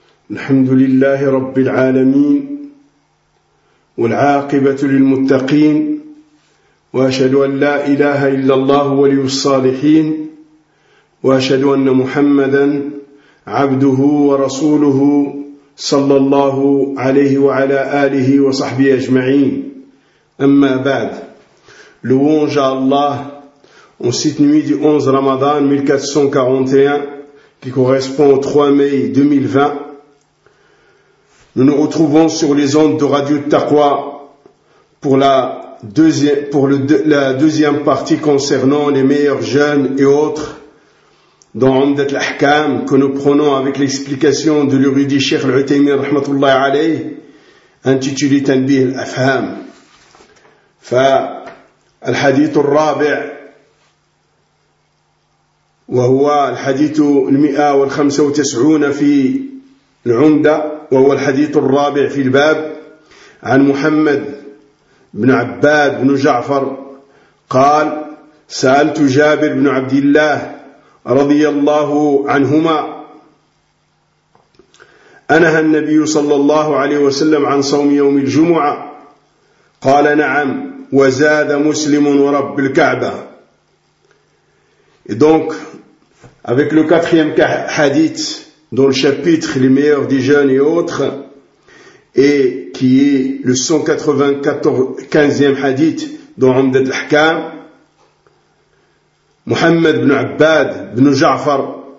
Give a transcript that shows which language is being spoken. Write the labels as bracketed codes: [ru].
[ar] الحمد لله رب العالمين، والعاقبة للمتقين، وأشهد أن لا إله إلا الله ولي الصالحين، وأشهد أن محمدا عبده ورسوله صلى الله عليه وعلى آله وصحبه أجمعين. أما بعد، لوون جاء الله [fr] en cette nuit du 11 Ramadan 1441 qui correspond au 3 mai 2020, nous nous retrouvons sur les ondes de Radio Taqwa pour la deuxième partie concernant les meilleurs jeunes et autres dans Umdat al-Ahkam, que nous prenons avec l'explication de l'érudit Cheikh Al-Uthaymeen rahmatullahi alayhi, intitulé Tanbih al-Afham. [ar] Fa al-hadith al-rabi' وهو الحديث 195 في العمدة، وهو الحديث الرابع في الباب، عن محمد بن عباد بن جعفر قال: سألت جابر بن عبد الله رضي الله عنهما، أنهى النبي صلى الله عليه وسلم عن صوم يوم الجمعة؟ قال: نعم، وزاد مسلم ورب الكعبة. دونك [fr] avec le quatrième hadith dans le chapitre « Les meilleurs des jeunes et autres » et qui est le 195e hadith dans « Umdat al-Ahkam », Muhammad ibn Abbad ibn Ja'far